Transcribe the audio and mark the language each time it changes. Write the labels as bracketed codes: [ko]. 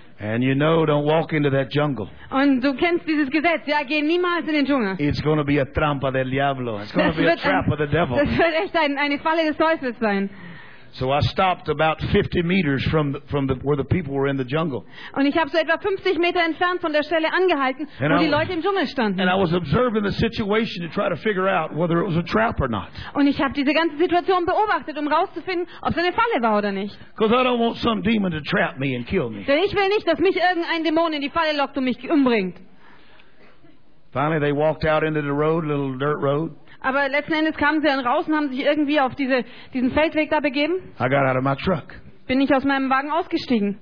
[en] And you know, don't walk into that jungle. [de] Und du kennst dieses Gesetz. Ja, geh niemals in den Dschungel. [en] It's going to be a [es] trampa del diablo. [en] It's going to be a trap of the devil. [de] Das wird echt eine Falle des Teufels sein. [en] So I stopped about 50 meters from the where the people were in the jungle. [de] Und ich habe so etwa 50 Meter entfernt von der Stelle angehalten, wo die Leute im Dschungel standen. [en] And I was observing the situation to try to figure out whether it was a trap or not. [de] Und ich habe diese ganze Situation beobachtet, um rauszufinden, ob es eine Falle war oder nicht. [en] Because I don't want some demon to trap me and kill me. [de] Denn ich will nicht, dass mich irgendein Dämon in die Falle lockt und mich umbringt. [en] Finally, they walked out into the road, a little dirt road. [de] Aber letzten Endes kamen sie dann raus und haben sich irgendwie auf diesen Feldweg da begeben. [en] I got out of my truck. [de] bin ich aus meinem Wagen ausgestiegen.